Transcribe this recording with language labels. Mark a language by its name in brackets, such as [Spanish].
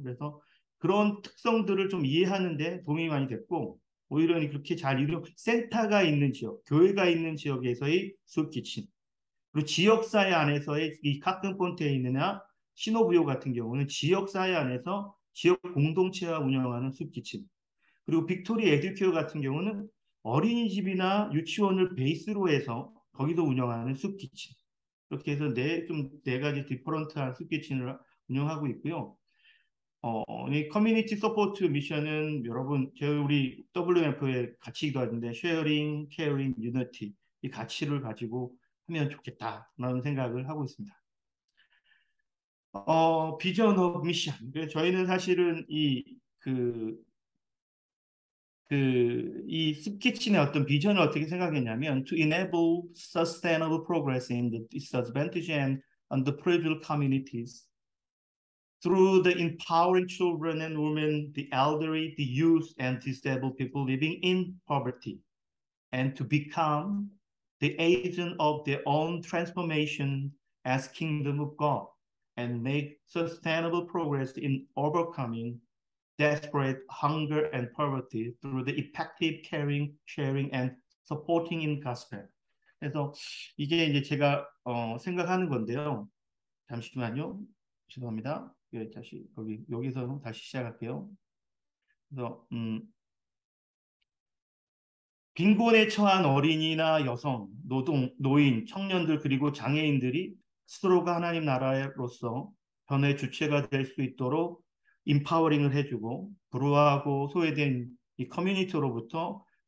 [Korean] 그래서 그런 특성들을 좀 이해하는데 도움이 많이 됐고, 오히려 그렇게 잘 이루어 센터가 있는 지역, 교회가 있는 지역에서의 숲키친, 그리고 지역사회 안에서의 이 카크폰테인이나 시노부요 같은 경우는 지역사회 안에서 지역 공동체와 운영하는 숲키친, 그리고 빅토리 에듀케어 같은 경우는 어린이집이나 유치원을 베이스로 해서 거기서 운영하는 숲키친, 이렇게 해서 네 가지 디퍼런트한 숲키친을 운영하고 있고요. 이 커뮤니티 서포트 미션은 여러분, 저희 우리 WMF에 같이 기도하는데 쉐어링, 케어링, 유니티 이 가치를 가지고 하면 좋겠다라는 생각을 하고 있습니다. 비전 오브 미션. 저희는 사실은 이 숲키친의 어떤 비전을 어떻게 생각했냐면 [English] to enable sustainable progress in the disadvantaged and underprivileged communities through the empowering children and women, the elderly, the youth and disabled people living in poverty and to become the agent of their own transformation as kingdom of God and make sustainable progress in overcoming desperate hunger and poverty through the effective caring, sharing, and supporting in gospel. [Korean] 그래서 이게 이제 제가 생각하는 건데요. 잠시만요. 죄송합니다. 여기서 다시 시작할게요. 그래서 빈곤에 처한 어린이나 여성, 노동, 노인, 청년들 그리고 장애인들이 스스로가 하나님 나라로서 변화의 주체가 될수 있도록 임파워링을 해주고 불우하고 소외된 이 커뮤니티로부터